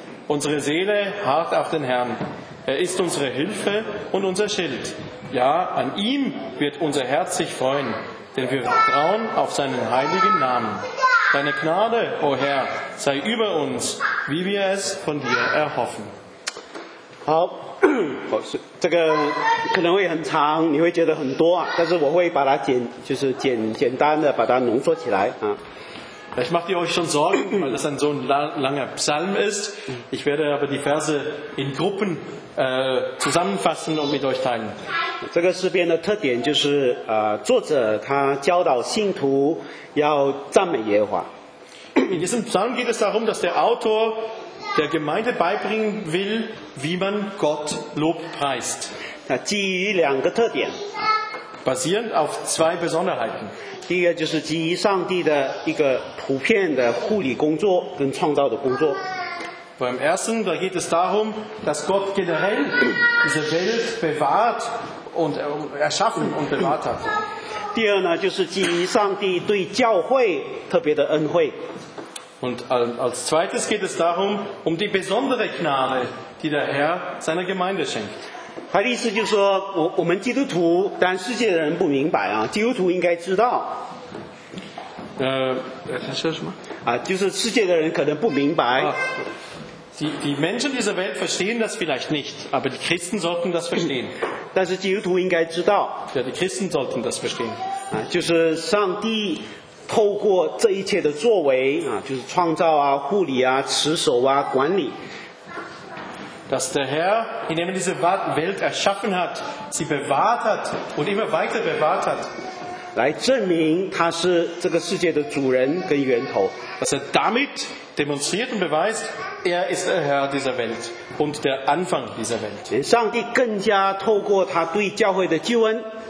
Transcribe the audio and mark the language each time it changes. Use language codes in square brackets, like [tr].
[de] Unsere Seele harrt auf den Herrn. Er ist unsere Hilfe und unser Schild. Ja, an ihm wird unser Herz sich freuen, denn wir vertrauen auf seinen heiligen Namen. Deine Gnade, o Herr, sei über uns, wie wir es von dir erhoffen. [zh] 好，这个可能会很长，你会觉得很多啊，但是我会把它简，就是简简单的把它浓缩起来啊。 [de] Ich mache euch schon Sorgen, weil das ein so langer Psalm ist. Ich werde aber die Verse in Gruppen zusammenfassen und mit euch teilen. [zh] 这个诗篇的特点就是作者他教导信徒要赞美耶和华。 [de] In diesem Psalm geht es darum, dass der Autor der Gemeinde beibringen will, wie man Gott Lob preist. [zh] 那基于两个特点。 [de] Basierend auf zwei Besonderheiten. [zh] 第一个就是基于上帝的一个普遍的护理工作跟创造的工作。 [de] Beim ersten, da geht es darum, dass Gott generell diese Welt bewahrt und erschaffen und bewahrt hat. [zh] 第二呢，就是基于上帝对教会特别的恩惠。 [de] Und als zweites geht es darum, um die besondere Gnade, die der Herr seiner Gemeinde schenkt. [zh] 他的意思就是说 我们基督徒，但世界的人不明白啊，基督徒应该知道。他说什么？啊，就是世界的人可能不明白。 [de] Die Menschen dieser Welt verstehen das vielleicht nicht, aber die Christen sollten das verstehen. [zh] 但是基督徒应该知道。 [de] Ja, die Christen sollten das verstehen. [zh] 啊，就是上帝透过这一切的作为啊，就是创造啊、护理啊、持守啊、管理。 [de] Dass der Herr, indem er diese Welt erschaffen hat, sie bewahrt hat und immer weiter bewahrt hat, [zh] 来证明他是这个世界的主人跟源头。 [de] Dass er damit demonstriert und beweist, er ist der Herr dieser Welt und der Anfang dieser Welt. [zh] 上帝更加透过他对教会的救恩。